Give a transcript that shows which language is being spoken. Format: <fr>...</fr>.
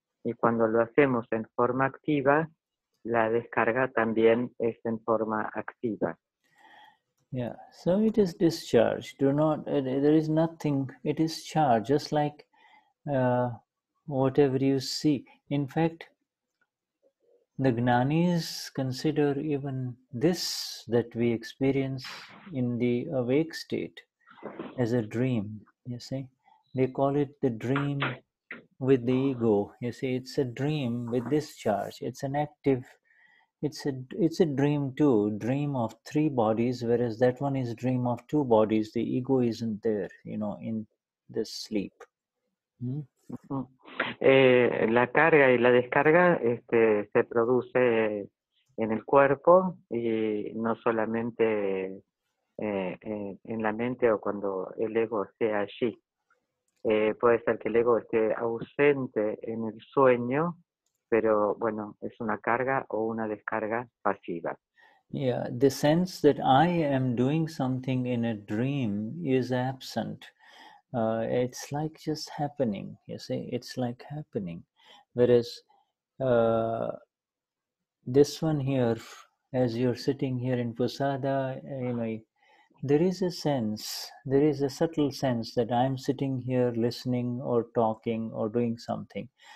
<es>Y cuando lo hacemos en forma activa, la descarga también es en forma activa.</es> <en>Yeah, so it is discharged. Do not, there is nothing, it is charged, just like whatever you see. In fact, the Gnanis consider even this that we experience in the awake state as a dream, you see. They call it the dream with the ego, you see. It's a dream with discharge. It's an active, it's a dream too, dream of three bodies, whereas that one is dream of two bodies. The ego isn't there, you know, in the sleep.</en> <es>La carga y la descarga se produce en el cuerpo y no solamente en la mente o cuando el ego esté allí. Puede ser que el ego esté ausente en el sueño, pero bueno, es una carga o una descarga pasiva.</es> <en>Yeah, the sense that I am doing something in a dream is absent. It's like just happening, you see, it's like happening. Whereas this one here, as you're sitting here in Posada, anyway, there is a sense, there is a subtle sense that I'm sitting here listening or talking or doing something.</en>